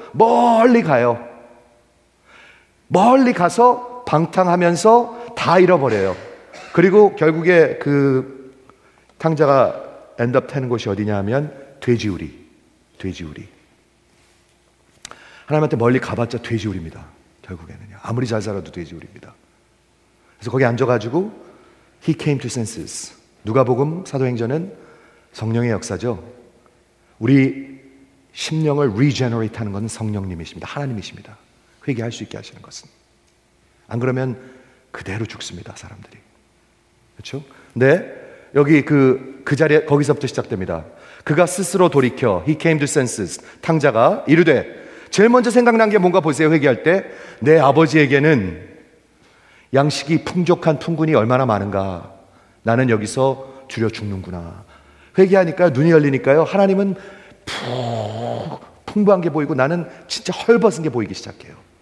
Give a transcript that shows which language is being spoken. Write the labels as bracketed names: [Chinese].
[Korean] 멀리 가요. 멀리 가서 방탕하면서 다 잃어버려요. 그리고 결국에 그 탕자가 엔드업 되는 곳이 어디냐면 돼지우리. 돼지우리. 하나님한테 멀리 가봤자 돼지우리입니다. 결국에는요. 아무리 잘 살아도 돼지우리입니다. 그래서 거기 앉아가지고 [English] He came to senses. [Korean] 누가복음 사도행전은 성령의 역사죠. 우리 심령을 regenerate 하는 것은 성령님이십니다. 하나님이십니다. 회개할 수 있게 하시는 것은. 안 그러면 그대로 죽습니다, 사람들이. 그렇죠? 근데 여기 그 자리에 거기서부터 시작됩니다. 그가 스스로 돌이켜 [English] He came to senses. [Korean] 탕자가 이르되 제일 먼저 생각난 게 뭔가 보세요. 회개할 때 내 아버지에게는 양식이 풍족한 풍군이 얼마나 많은가. 나는 여기서 줄여 죽는구나. 회개하니까 눈이 열리니까요. 하나님은 풍부한 게 보이고 나는 진짜 헐벗은 게 보이기 시작해요.